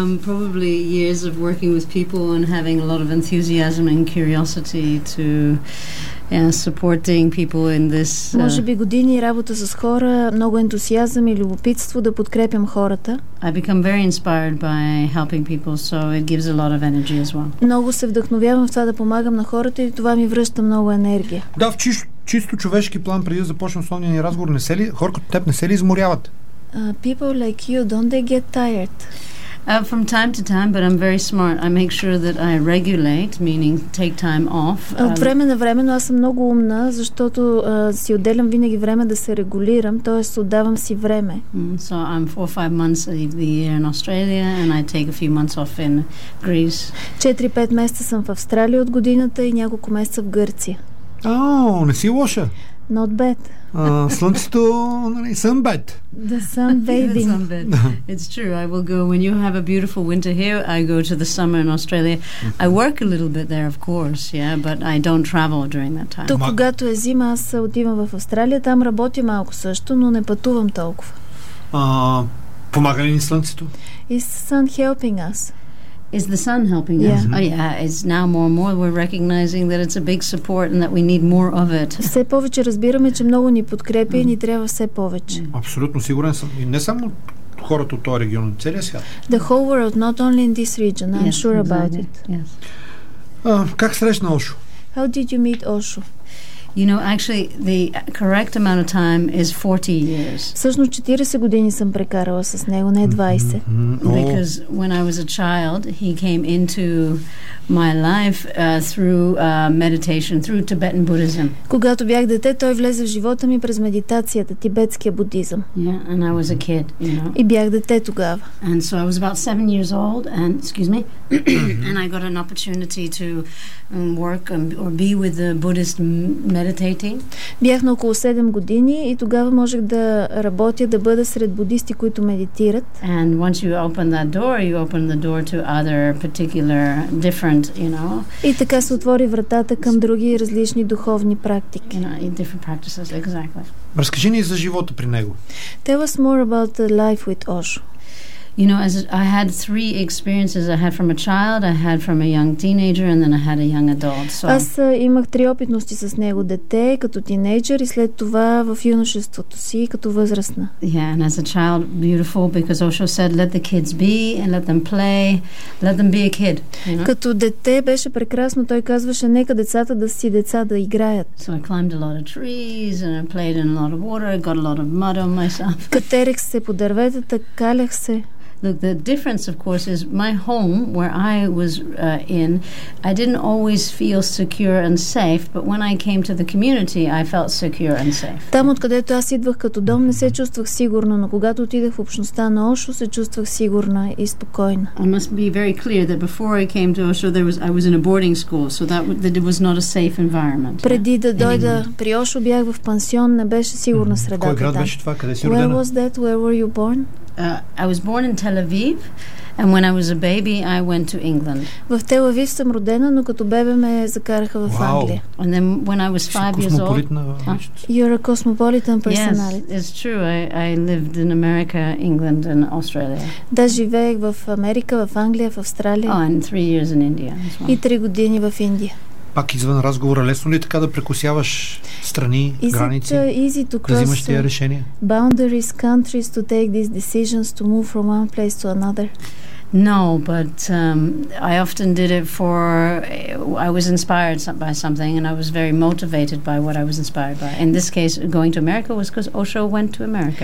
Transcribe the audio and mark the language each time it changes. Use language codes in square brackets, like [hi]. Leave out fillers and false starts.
[en] Probably years of working with people and having a lot of enthusiasm and curiosity to supporting people in this. [bg] Може би години работа с хора, много ентусиазъм и любопитство да подкрепям хората. [en] I become very inspired by helping people, so it gives a lot of energy as well. [bg] Много се вдъхновявам в това да помагам на хората и това ми връща много енергия. Да, в чисто човешки план, преди да започнем основния ни разговор, не се ли хора като теб не се ли изморяват? [en] People like you, don't they get tired? From time to time, but I'm very smart. I make sure that I regulate, meaning take time off. [bg] От време на време, но аз съм много умна, защото си отделям винаги време да се регулирам, т.е. отдавам си време. [en] So I'm 4-5 months of the year in Australia and I take a few months off in Greece. [bg] 4-5 месеца съм в Австралия от годината и няколко месеца в Гърция. О, не си лоша. [en] Not bad. [bg] Слънцето, нали, [en] sun bed. The sun bathing. It's true. I will go when you have a beautiful winter here, I go to the summer in Australia. Mm-hmm. I work a little bit there, of course, yeah, but I don't travel during that time. [bg] Тук, когато е зима, аз отивам в Австралия, там работя малко също, но не пътувам толкова. Помага ли ни слънцето? [en] Is the sun helping us? Is the sun helping yeah. us? Oh yeah, it's now more and more we're recognizing that it's a big support and that we need more of it. [bg] Все повече разбираме, че много ни подкрепя и ни трябва все повече. Абсолютно сигурен съм. И не само хората от този регион, целия свят. [en] The whole world, not only in this region. I'm sure about it. [bg] Как срещна Ошо? [en] How did you meet Osho? You know, actually, the correct amount of time is 40 years. [bg] Всъщност 40 години съм прекарала с него, не 20. [en] Because when I was a child, he came into my life through meditation, through Tibetan Buddhism. [bg] Когато бях дете, той влезе в живота ми през медитацията, тибетския будизъм. [en] Yeah, and I was a kid, you know. [bg] И бях дете тогава. [en] And so I was about 7 years old, and excuse me, and I got an opportunity to work or be with the Buddhist meditating. [bg] Бях на около 7 години и тогава можех да работя, да бъда сред будисти, които медитират. [en] And once you open that door, you open the door to other particular different, you know. [bg] И така се отвори вратата към други различни духовни практики. [en] You know, different practices, exactly. [bg] Разкажи ни за живота при него. [en] Tell us more about the life with Osho. You know, as I had three experiences, I had from a child, I had from a young teenager, and then I had a young adult. So [bg] аз имах три опитности с него, дете, като тинейджър и след това в юношеството си, като възрастна. [en] Yeah, and as a child, beautiful, because Osho said, let the kids be and let them play, let them be a kid. [bg] Като дете беше прекрасно, той казваше, нека децата да си деца, да играят. [en] So I climbed a lot of trees and I played in a lot of water, I got a lot of mud on myself. [bg] Катерих се по дърветата, калях се. [en] Look, the difference, of course, is my home, where I was in, I didn't always feel secure and safe, but when I came to the community, I felt secure and safe. [bg] Там, откъдето аз идвах като дом, не се чувствах сигурна, но когато отидах в общността на Ошо, се чувствах сигурна и спокойна. [en] I must be very clear that before I came to Ошо, I was in a boarding school, so that it was not a safe environment. [bg] Преди да дойда при Ошо, бях в пансион, не беше сигурна среда. Кой град беше това? Къде си родена? [en] Where was that? Where were you born? I was born in Tel Aviv, And when I was a baby, I went to England. [bg] В Тел Авив съм родена, но като бебе ме закараха в Англия. [en] And then when I was 5 years old. You're a cosmopolitan personality. Yes, it's true. I lived in America, England and Australia. [bg] Да, живеех в Америка, в Англия, в Австралия. [en] Oh, and 3 years in India. [bg] И 3 години в Индия. Пак извън разговора, лесно ли така да прекосяваш страни, граници? [en] Easy to cross, [bg] да взимаш тия решения? [en] Boundaries, countries to take these decisions to move from one place to another. No, but I often did it for I was inspired by something and I was very motivated by what I was inspired by. In this case, going to America was because Osho went to America.